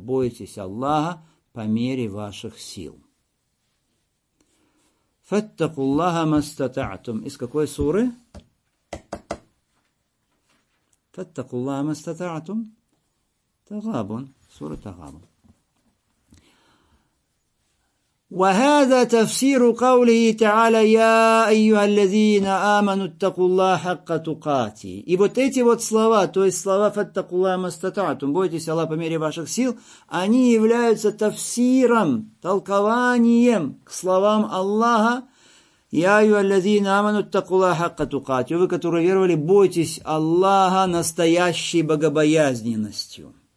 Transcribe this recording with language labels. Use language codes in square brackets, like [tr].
[ru] Бойтесь Аллаха по мере ваших сил. [ar] «Фаттакуллаха мастата'тум». [ru] Из какой суры? [ar] «Фаттакуллаха мастата'тум». [ru] Тагабун. Сура Тагабун. [ar] وهذا تفسير قوله تعالى يا أيها الذين آمنوا اتقوا الله حق تقاته. [ru] И вот эти вот слова, то есть слова [ar] فاتقوا الله ما استطعتم, [ru] бойтесь Аллаха по мере ваших сил, они являются тафсиром, толкованием к словам Аллаха [ar] يا أيها الذين آمنوا اتقوا الله حق تقاته. [ru] Вы, которые веровали, бойтесь Аллаха настоящей богобоязненностью.